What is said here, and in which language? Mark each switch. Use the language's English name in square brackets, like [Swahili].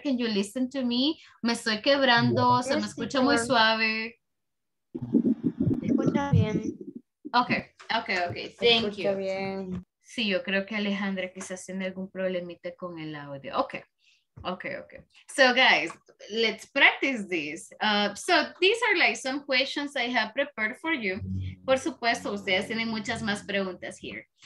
[English] Can you listen to me? [Spanish] Me estoy quebrando, yeah. Se me escucha muy suave. Me escucha bien. [English] Okay, thank you. [Spanish] Me escucha bien. Sí, yo creo que Alejandra quizás tiene algún problemita con el audio. [English] Okay. So guys, let's practice this. So these are like some questions I have prepared for you. [Spanish] Por supuesto, ustedes tienen muchas más preguntas here.